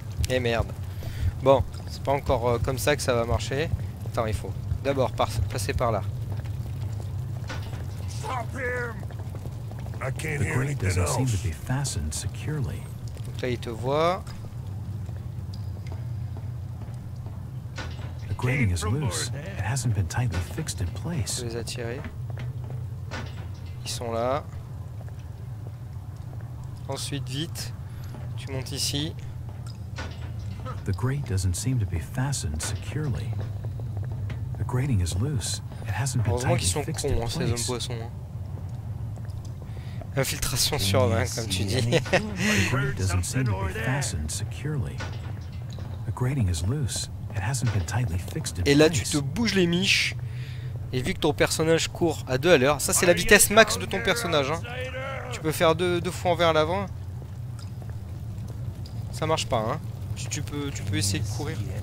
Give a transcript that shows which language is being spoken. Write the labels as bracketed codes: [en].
[fr] Et merde. Bon, c'est pas encore comme ça que ça va marcher. Attends, il faut d'abord passer par là. [en] Stop him. I can't hear anything else. The grate doesn't seem to be fastened securely. [fr] Donc là, il te voit. [en] The grating is loose. It hasn't been tightly fixed in place. [fr] Les attirer. Ils sont là. Ensuite, vite, tu montes ici. [en] The grate doesn't seem to be fastened securely. The grating is loose. It hasn't been tightly fixed. [fr] Heureusement qu'ils sont cons, ces hommes poissons. Infiltration sur 20, comme tu dis. [en] The grate doesn't seem to be fastened securely. The grating is loose. It hasn't been tightly fixed. [fr] Et là, tu te bouges les miches. Et vu que ton personnage court à 2 à l'heure, ça c'est la vitesse max de ton personnage. Hein. Tu peux faire deux fois envers l'avant. Ça marche pas, hein. Tu peux essayer de courir.